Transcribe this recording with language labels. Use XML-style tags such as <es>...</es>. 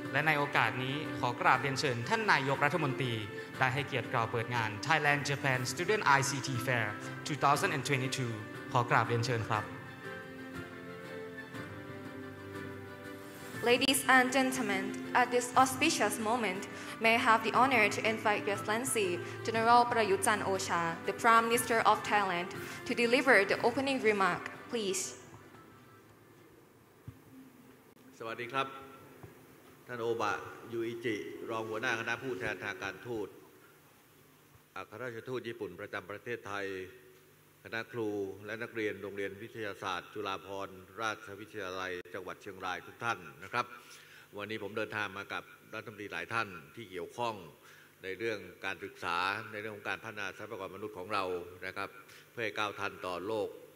<th>ในโอกาสนี้ขอกราบเรียนเชิญท่านนายกรัฐมนตรีได้ให้เกียรติกล่าวเปิดงาน Thailand Japan Student ICT Fair 2022ขอกราบเรียนเชิญครับ</th> <en>Ladies and gentlemen, at this auspicious moment, may I have the honor to invite Your Excellency General Prayut Chan Ocha, the Prime Minister of Thailand, to deliver the opening remark, please.</en> <th>สวัสดีครับท่านโอบะยูอิจิรองหัวหน้าคณะผู้แทนทางการทูตอัครราชทูตญี่ปุ่นประจำประเทศไทยคณะครูและนักเรียนโรงเรียนวิทยาศาสตร์จุฬาภรณ์ราชวิทยาลัยจังหวัดเชียงรายทุกท่านนะครับวันนี้ผมเดินทางมากับรัฐมนตรีหลายท่านที่เกี่ยวข้องในเรื่องการศึกษาในเรื่องของการพัฒนาทรัพยากรมนุษย์ของเรานะครับเพื่อก้าวทันต่อโลก</th>